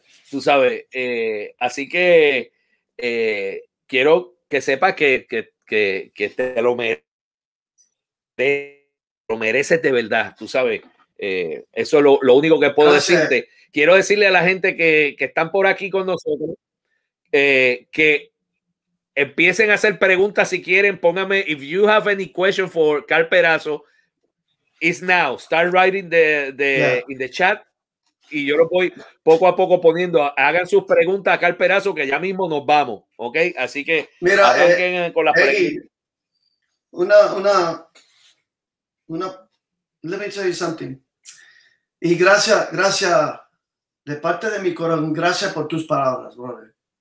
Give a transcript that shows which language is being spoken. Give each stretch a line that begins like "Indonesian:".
Spanish: Tú sabes, así que quiero que sepas que te lo mereces de verdad, tú sabes. Eso es lo único que puedo decirte. Quiero decirle a la gente que están por aquí con nosotros que empiecen a hacer preguntas si quieren. Póngame,
English: if you have any question for Carl Perazzo, it's now. Start writing in the chat
Spanish: y yo lo voy poco a poco poniendo. Hagan sus preguntas a Carl Perazzo que ya mismo nos vamos, ¿ok? Así que mira, con las preguntas.
English: Let me tell you something.
Spanish: Y gracias de parte de mi corazón, gracias por tus palabras, brother.